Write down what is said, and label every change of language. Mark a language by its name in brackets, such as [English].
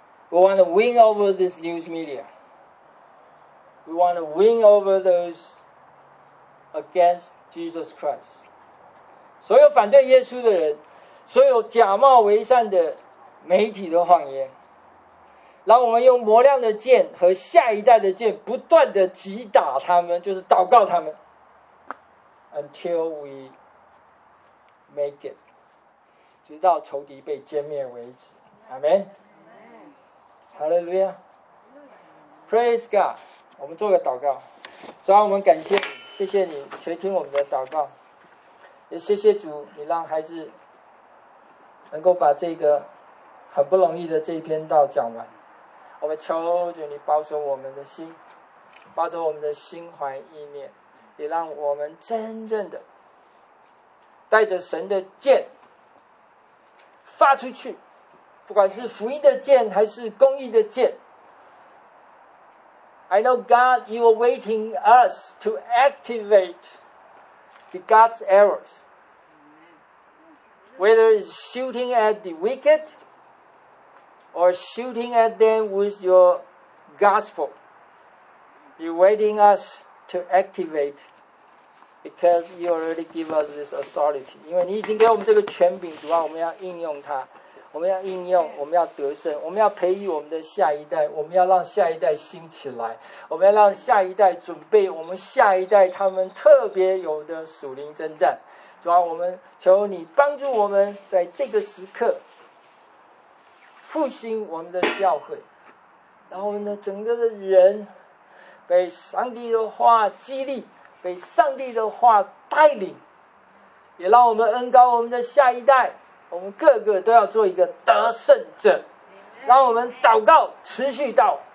[English] We want to win over this news media. We want to win over those against Jesus Christ. [Chinese] 所有反对耶稣的人，所有假冒为善的媒体的谎言，让我们用磨亮的剑和下一代的剑不断的击打他们，就是祷告他们 [English] until we make it, [Chinese] 直到仇敌被歼灭为止。 Amen. Hallelujah. [English] Praise God. [Chinese] 我们做个祷告。主啊，我们感谢你，谢谢你垂听我们的祷告，也谢谢主你让孩子能够把这个很不容易的这一篇道讲完。我们求主你保守我们的心，保守我们的心怀意念，也让我们真正的带着神的剑发出去，不管是福音的剑还是公义的剑。 [English] I know God, you are waiting us to activate the God's arrows. Whether it's shooting at the wicked or shooting at them with your gospel, you're waiting us to activate because you already give us this authority. [Chinese] 因为你已经给我们这个权柄，主啊，我们要应用它。我们要应用，我们要得胜，我们要培育我们的下一代，我们要让下一代兴起来，我们要让下一代准备我们下一代他们特别有的属灵征战。主啊，我们求你帮助我们在这个时刻复兴我们的教会，然后我们的整个的人被上帝的话激励，被上帝的话带领，也让我们恩膏我们的下一代，我们个个都要做一个得胜者，让我们祷告持续到